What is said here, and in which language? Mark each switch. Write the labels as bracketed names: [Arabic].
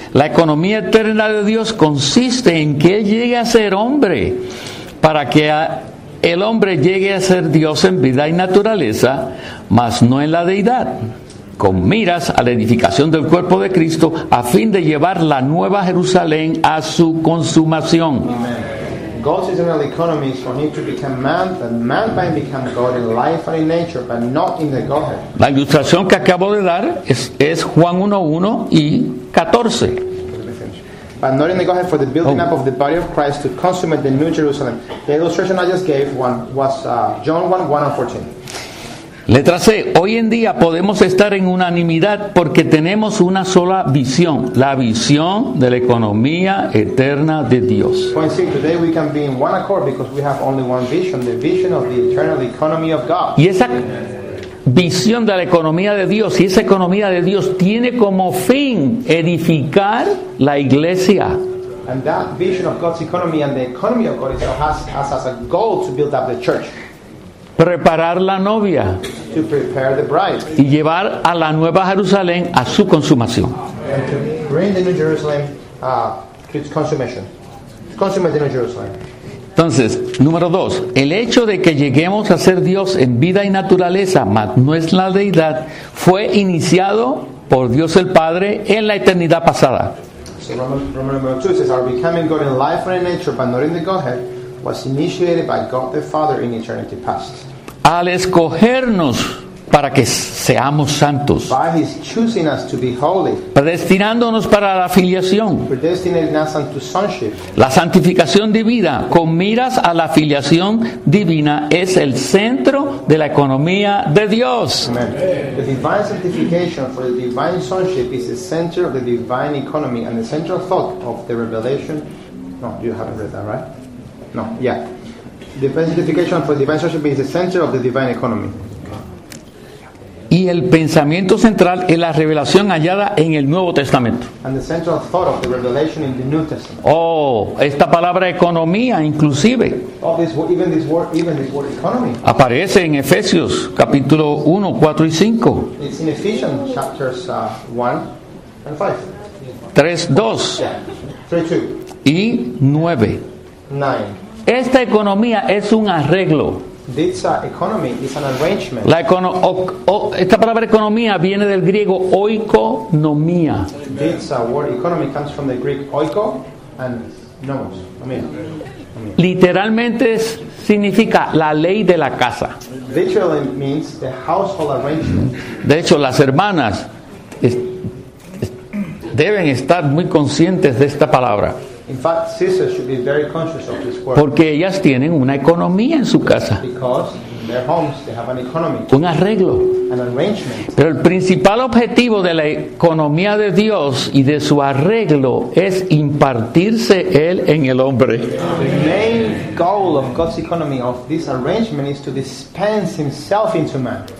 [Spanish] La economía eterna de Dios consiste en que él llegue a ser hombre para que el hombre llegue a ser Dios en vida y naturaleza, mas no en la deidad. Con miras a la edificación del cuerpo de Cristo, a fin de llevar la nueva Jerusalén a su consumación. Amen. [English] God's eternal economy is for him to become man, that man might become God in life and in nature, but not in the Godhead. [Spanish] La ilustración que acabo de dar es Juan 1:1 y 14. [English] But not in the Godhead, for the building up of the body of Christ to consummate the new Jerusalem. The illustration I just gave one was John 1:1 and 14. [Spanish] Letra C. Hoy en día podemos estar en unanimidad porque tenemos una sola visión, la visión de la economía eterna de Dios. [English] Point C. Today we can be in one accord because we have only one vision, the vision of the eternal economy of God. [Spanish] Y esa visión de la economía de Dios, y esa economía de Dios tiene como fin edificar la iglesia. [English] And that vision of God's economy and the economy of God has as a goal to build up the church. [Spanish] Preparar la novia [English] to prepare the bride. [Spanish] Y llevar a la nueva Jerusalén a su consumación. [English] And to bring the new Jerusalem to its consummation. Consummate the new Jerusalem. [Spanish] Entonces, número dos, el hecho de que lleguemos a ser Dios en vida y naturaleza, mas no es la deidad, fue iniciado por Dios el Padre en la eternidad pasada. [English] So Romans number 2 says, are becoming God in life and in nature, but not in the Godhead. Was initiated by God the Father in eternity past. [Spanish] Al escogernos para que seamos santos. [English] By his choosing us to be holy. [Spanish] Predestinándonos para la filiación. [English] Predestinating us unto sonship. [Spanish] La santificación divina con miras a la filiación divina es el centro de la economía de Dios. Amen. [English] The divine sanctification for the divine sonship is the center of the divine economy and the central thought of the revelation. No, you haven't read that, right? No, yeah. The sanctification for divine sonship is the center of the divine economy. [Spanish] Y el pensamiento central es la revelación hallada en el Nuevo Testamento. [English] And the central thought of the revelation in the New Testament. [Spanish] Oh, esta palabra economía, inclusive. [English] Oh, even this word economy. [Spanish] Aparece en Efesios, capítulo 1, 4 y 5. [English] It's in Ephesians, chapters 1 and 5. [Spanish] 3, 2. [English] Yeah. [Spanish] 3, 2. Y 9. [English] 9. [Spanish] Esta economía es un arreglo. [English] This economy is an arrangement. [Spanish] Esta palabra economía viene del griego oikonomía. [English] This word economy comes from the Greek oiko and nomos. [Spanish] Literalmente significa la ley de la casa. [English] Literally means the household arrangement. [Spanish] De hecho, las hermanas deben estar muy conscientes de esta palabra. [English] In fact, sisters should be very conscious of this word. [Spanish] Porque ellas tienen una economía en su casa. [English] Because in their homes they have an economy. [Spanish] Un arreglo. [English] An arrangement. [Spanish] Pero el principal objetivo de la economía de Dios y de su arreglo es impartirse él en el hombre. [English] The main goal of God's economy, of this arrangement, is to dispense himself into man.